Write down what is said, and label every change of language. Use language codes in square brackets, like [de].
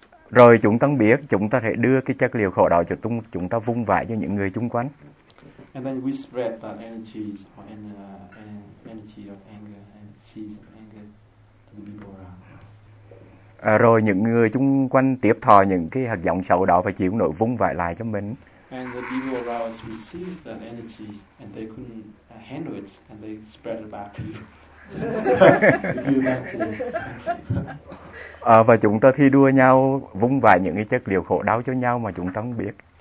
[vi] Rồi chúng ta biết chúng ta sẽ đưa cái chất liệu khổ đó cho chúng ta vung vãi cho những người chung quanh. [en] And then we spread that energy or energy of anger and seeds of anger to the people around us. [vi] Rồi những người chung quanh tiếp thọ những cái hạt giống xấu đó và chịu nỗi vung vãi lại cho mình. [en] And the people around us receive that energy and they couldn't handle it and they spread it back to you. [vi] Và chúng ta thi đua nhau vung vãi những cái chất liệu khổ đau cho nhau mà chúng ta không biết.